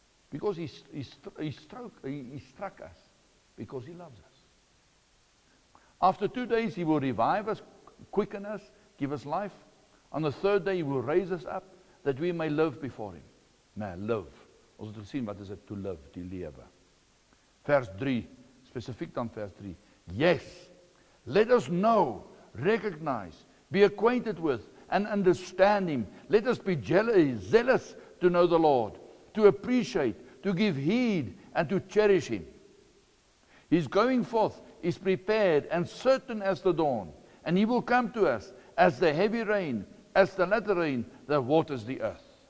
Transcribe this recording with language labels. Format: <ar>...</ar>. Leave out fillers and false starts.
<en>Because he struck us because he loves us. After 2 days he will revive us, quicken us, give us life. On the third day he will raise us up that we may live before him. Now live.</en> <af>Ons het gesien wat is het,</af> <en>to live, to live.</en> <af>Vers 3, specifiek dan vers 3.</af> <en>Yes, let us know, recognize, be acquainted with and understand him. Let us be zealous to know the Lord, to appreciate, to give heed and to cherish him. His going forth is prepared and certain as the dawn, and he will come to us as the heavy rain, as the latter rain that waters the earth.</en>